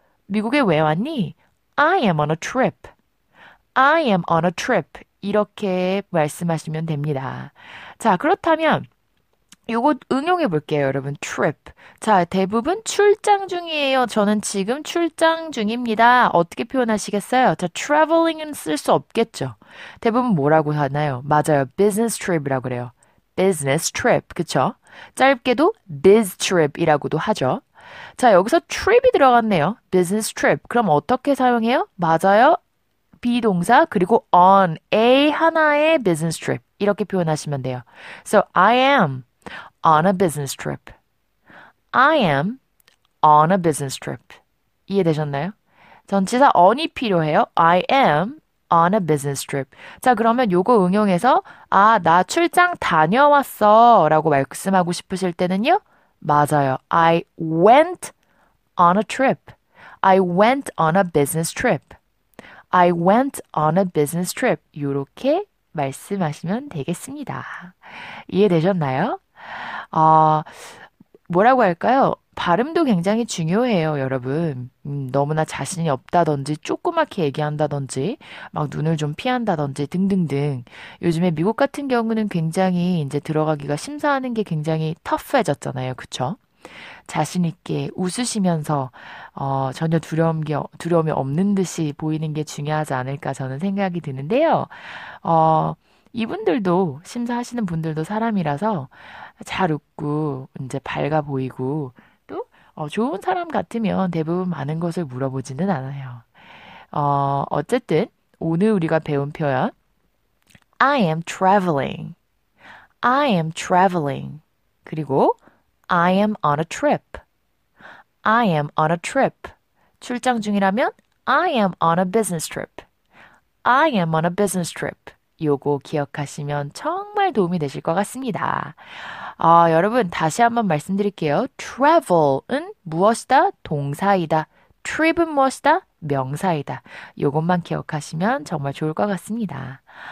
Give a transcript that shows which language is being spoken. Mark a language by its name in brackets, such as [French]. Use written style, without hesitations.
[Korean] 미국에 왜 왔니? [English] I am on a trip. I am on a trip. [Korean] 이렇게 말씀하시면 됩니다. 자, 그렇다면 요거 응용해 볼게요, 여러분. [English] trip. [Korean] 자, 대부분 출장 중이에요. 저는 지금 출장 중입니다. 어떻게 표현하시겠어요? 자, traveling은 쓸수 없겠죠. 대부분 뭐라고 하나요? 맞아요. business trip이라고 그래요. business trip. 그쵸? 짧게도 biz trip이라고도 하죠. 자, 여기서 trip이 들어갔네요. business trip. 그럼 어떻게 사용해요? 맞아요. be 동사, 그리고 on a 하나의 business trip. 이렇게 표현하시면 돼요. [English] So, I am on a business trip. I am on a business trip. [Korean] 이해되셨나요? 전치사 on이 필요해요. [English] I am on a business trip. [Korean] 자, 그러면 요거 응용해서 아, 나 출장 다녀왔어라고 말씀하고 싶으실 때는요. 맞아요. [English] I went on a trip. I went on a business trip. I went on a business trip. [Korean] 요렇게 말씀하시면 되겠습니다. 이해되셨나요? 뭐라고 할까요? 발음도 굉장히 중요해요, 여러분. 너무나 자신이 없다든지, 조그맣게 얘기한다든지, 막 눈을 좀 피한다든지, 등등등. 요즘에 미국 같은 경우는 굉장히 이제 들어가기가 심사하는 게 굉장히 터프해졌잖아요, 그쵸? 자신 있게 웃으시면서, 전혀 두려움이 없는 듯이 보이는 게 중요하지 않을까 저는 생각이 드는데요. 이분들도, 심사하시는 분들도 사람이라서 잘 웃고, 이제 밝아 보이고, 또, 좋은 사람 같으면 대부분 많은 것을 물어보지는 않아요. 어쨌든, 오늘 우리가 배운 표현, [English] I am traveling. I am traveling. [Korean] 그리고, [English] I am on a trip. I am on a trip. [Korean] 출장 중이라면, [English] I am on a business trip. I am on a business trip. [Korean] 요거 기억하시면 정말 도움이 되실 것 같습니다. 여러분, 다시 한번 말씀드릴게요. travel은 무엇이다? 동사이다. trip은 무엇이다? 명사이다. 요것만 기억하시면 정말 좋을 것 같습니다.